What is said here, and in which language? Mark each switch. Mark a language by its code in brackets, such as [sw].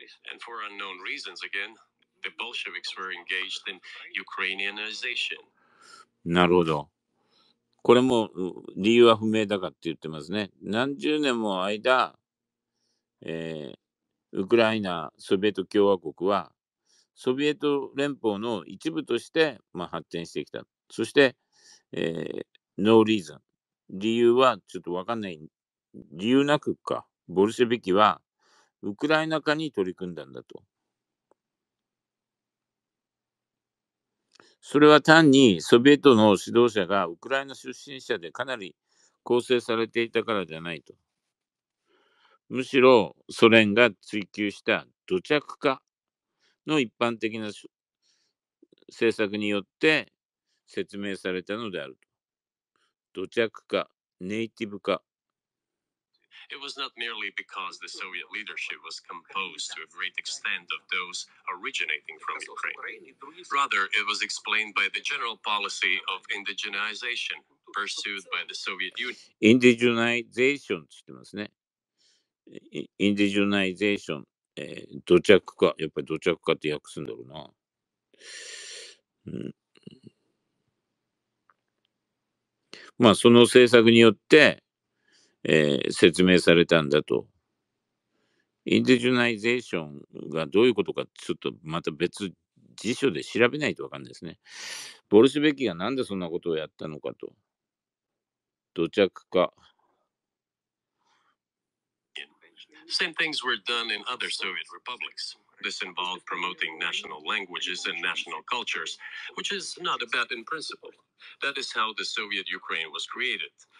[en] And for unknown reasons again, the Bolsheviks were engaged in Ukrainianization. [ja] なるほど。これも理由は不明だかって言ってますね。何十年も間、ウクライナ・ソビエト共和国はソビエト連邦の一部として、まあ、発展してきた。そして、ノーリーズン。理由はちょっとわかんない。理由なくか。ボルシェビキはウクライナ化に取り組んだんだと。それは単にソビエトの指導者がウクライナ出身者でかなり構成されていたからじゃないと。むしろソ連が追求した土着化の一般的な政策によって説明されたのであると。土着化、ネイティブ化。 [en] It was not merely because the Soviet leadership was composed to a great extent of those originating from Ukraine. Rather, it was explained by the general policy of indigenization pursued by the Soviet Union. [ja] Indigenization って言ってますね。Indigenization、土着化、やっぱり土着化って訳すんだろうな。うん、まあその政策によって説明されたんだと。インディジュナイゼーションがどういうことか、ちょっとまた別辞書で調べないとわかんないですね。ボルシベキがなんでそんなことをやったのかと。土着化。 [en] Same things were done in other Soviet republics. This involved promoting national languages and national cultures, which is not a bad in principle. That is how the Soviet Ukraine was created.